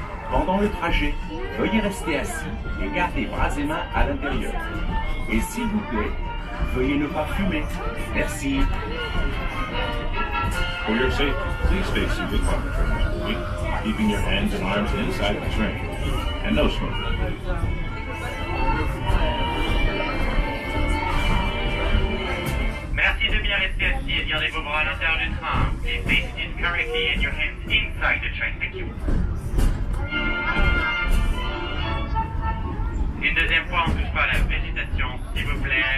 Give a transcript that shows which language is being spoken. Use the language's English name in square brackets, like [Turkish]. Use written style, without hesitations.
[French] Pendant le trajet, veuillez rester assis et garder bras et mains à l'intérieur. Et s'il vous plaît, veuillez ne pas fumer. Merci. [English] For your safety, please stay seated on the train for a week, keeping your hands and arms inside the train, and no smoking. [French] Merci de bien rester assis et garder vos bras à l'intérieur du train. [English] Stay seated correctly and your hands inside the train. Thank you. [French] Une deuxième fois, on ne touche pas à la végétation, s'il vous plaît.